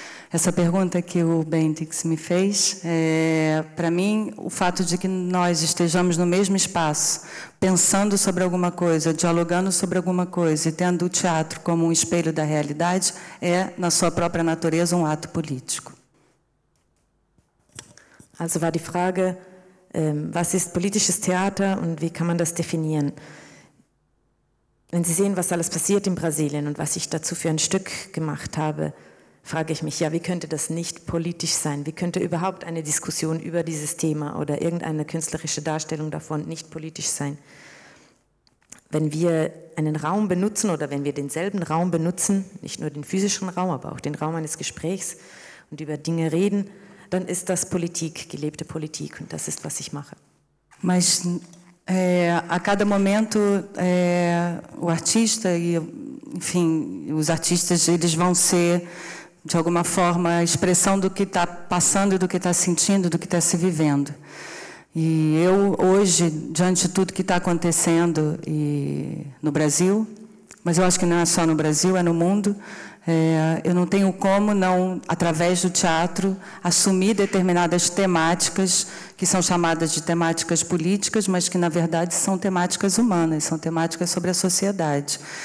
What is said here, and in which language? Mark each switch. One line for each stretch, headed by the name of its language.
Portuguese: Essa pergunta que o Bendix me fez, para mim, o fato de que nós estejamos no mesmo espaço, pensando sobre alguma coisa, dialogando sobre alguma coisa e tendo o teatro como um espelho da realidade, é, na sua própria natureza, um ato político.
German: Also war die Frage, was ist politisches Theater und wie kann man das definieren? Wenn Sie sehen, was alles passiert in Brasilien und was ich dazu für ein Stück gemacht habe, frage ich mich, ja, wie könnte das nicht politisch sein? Wie könnte überhaupt eine Diskussion über dieses Thema oder irgendeine künstlerische Darstellung davon nicht politisch sein? Wenn wir einen Raum benutzen oder wenn wir denselben Raum benutzen, nicht nur den physischen Raum, aber auch den Raum eines Gesprächs und über Dinge reden, dann ist das Politik, gelebte Politik, und das ist, was ich mache.
Portuguese: Mas a cada momento o artista e, enfim, os artistas, eles vão ser de alguma forma a expressão do que está passando, do que está sentindo, do que está se vivendo. E eu hoje, diante de tudo que está acontecendo e no Brasil, mas eu acho que não é só no Brasil, é no mundo, eu não tenho como não, através do teatro, assumir determinadas temáticas que são chamadas de temáticas políticas, mas que, na verdade, são temáticas humanas, são temáticas sobre a sociedade.